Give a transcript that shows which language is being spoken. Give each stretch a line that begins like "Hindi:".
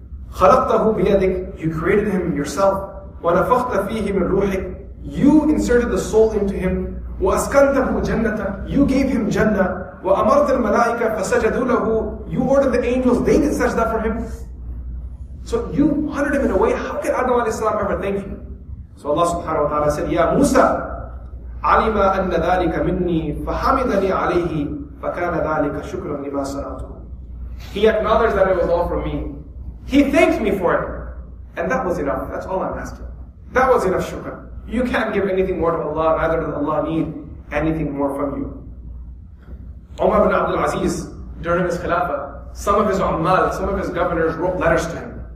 Arabic: خلقته بيدك,
English: you created him yourself.
Arabic: ونفخت فيه من روحك,
English: you inserted the soul into him.
Arabic: وأسكنته جنة,
English: you gave him Jannah.
Arabic: وأمرت الملائكة فسجدوا له,
English: you ordered the angels, they did sajda for him. So you honored him in a way, how can Adam alayhi salam ever thank you? So Allah subhanahu wa ta'ala said, Ya Musa,
Arabic: علم أن ذلك مني فحمدني عليه فكان ذلك شكرا لما صنعته.
English: He acknowledged that it was all from me. He thanked me for it. And that was enough. That's all I'm asking. That was enough shukr. You can't give anything more to Allah, neither does Allah need anything more from you. Umar ibn Abdul Aziz, during his khilafah, some of his ummal, some of his governors wrote letters to him.